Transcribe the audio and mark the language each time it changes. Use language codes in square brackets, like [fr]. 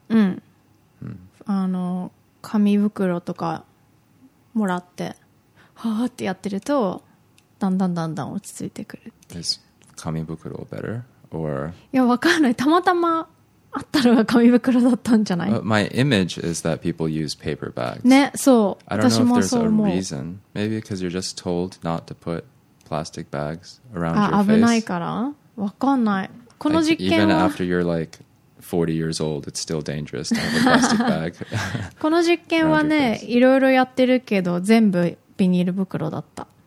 [ja] うん。紙袋とかもらってはーってやってると、だんだんだんだん落ち着いてくるっていう。 [en] Is 紙袋 better? Or... [ja] いや、わかんない。たまたまあったのが紙袋だったんじゃない。 [en] My image is that people use paper bags. [ja] ね、そう。私もそう思う。 [en] I don't know if there's a reason. Maybe because you're just told not to put plastic bags around your face. [ja] 危ないから、わかんない。この実験は [en] even after you're like40 years old, it's still dangerous to have a plastic bag. [ja] この実験はね、いろいろやってるけど、全部ビニール袋だった。